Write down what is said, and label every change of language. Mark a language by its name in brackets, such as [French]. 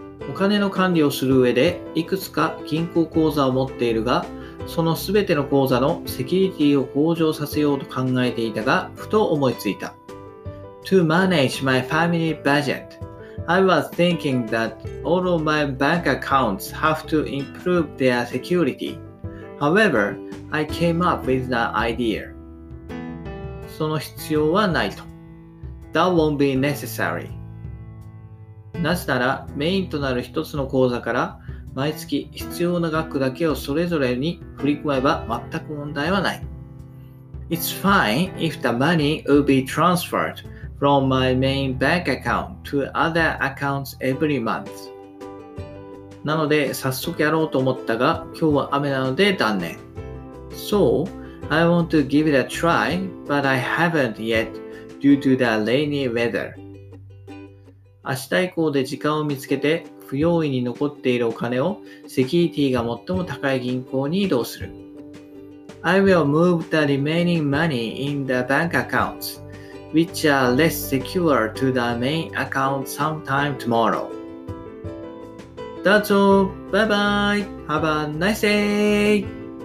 [Japanese] お金の管理をする上でいくつか銀行口座を持っているが、そのすべての口座のセキュリティを向上させようと考えていたが、ふと思いついた。 [English] To manage my family budget, I was thinking that all of my bank accounts have to improve their security. However, I came up with an idea. [Japanese] その必要はないと。 [English] That won't be necessary. [Japanese] なぜなら、メインとなる一つの口座から毎月必要な額だけをそれぞれに振り込めば全く問題はない。 [English] It's fine if the money will be transferred from my main bank account to other accounts every month. [Japanese] なので早速やろうと思ったが、今日は雨なので断念。 [English] So, I want to give it a try, but I haven't yet due to the rainy weather. [Japanese] 明日以降で時間を見つけて、不用意に残っているお金をセキュリティが最も高い銀行に移動する。 [English] I will move the remaining money in the bank accounts, which are less secure to the main account sometime tomorrow. That's all. Bye bye. Have a nice day.